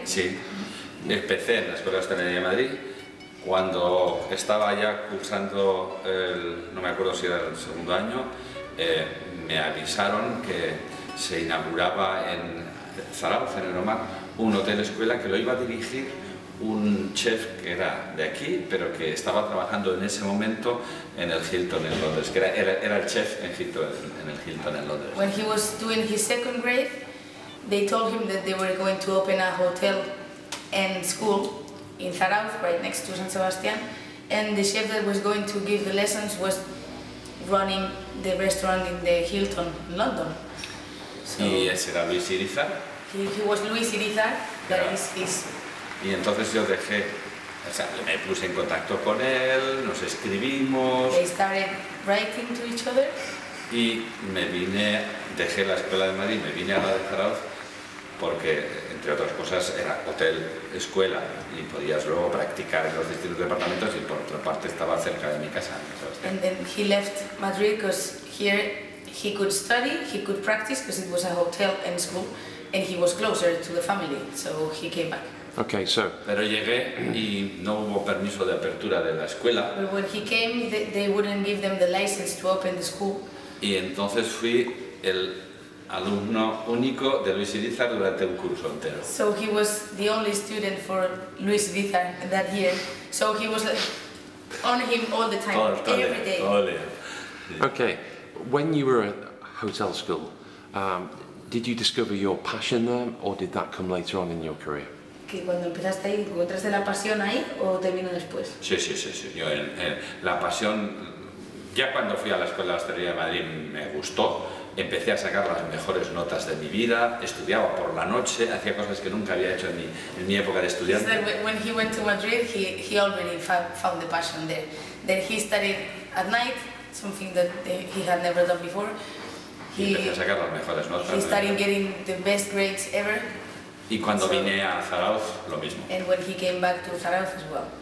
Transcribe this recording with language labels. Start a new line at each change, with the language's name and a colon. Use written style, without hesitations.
Spanish: Sí, empecé en la escuela de hostelería de Madrid cuando estaba ya cursando el, no me acuerdo si era el segundo año, me avisaron que se inauguraba en Zarauz, en el Omar, un hotel escuela que lo iba a dirigir un chef que era de aquí, pero que estaba trabajando en ese momento en el Hilton en Londres, que era el chef en Hilton en el Hilton en Londres.
English: When he was doing his second grade, they told him that they were going to open a hotel and school in Zarauz, right next to San Sebastián, and the chef that was going to give the lessons was running the restaurant in the Hilton in London. So,
Spanish: y ese era Luis Irizar.
English: He was Luis Irizar, that yeah. is
Spanish: Y entonces yo dejé, o sea, me puse en contacto con él, nos escribimos.
English: They started writing to each other.
Spanish: Y me vine, dejé la escuela de Madrid, me vine a la de Zarauz, porque entre otras cosas era hotel, escuela, y podías luego practicar en los distintos departamentos, y por otra parte estaba cerca de mi casa.
English: And then he left Madrid because here he could study, he could practice, because it was a hotel and school, and he was closer to the family, so he came back. Okay, so.
Spanish: Pero llegué y no hubo permiso de apertura de la escuela.
English: But when he came, they wouldn't give them the license to open the school.
Spanish: Y entonces fui el alumno único de Luis Irizar durante un curso entero.
English: So he was the only student for Luis Irizar that year. So he was on him all the time, every day. Okay, when you were at hotel school, did you discover your passion there, or did that come later on in your career?
Spanish: Que cuando empezaste ahí, ¿encontraste la pasión ahí o te vino después? Sí. Yo la pasión, ya cuando fui a la Escuela de Hostelería de Madrid me gustó, empecé a sacar las mejores notas de mi vida, estudiaba por la noche, hacía cosas que nunca había hecho en mi época de estudiante.
English: When he went to Madrid, he already found the passion there. Then he studied at night, something that he had never done before.
Spanish: Y empecé a sacar las mejores notas.
English: He started getting the best grades ever.
Spanish: Y cuando vine a Zarauz, lo mismo.
English: And when he came back to Zarauz as well.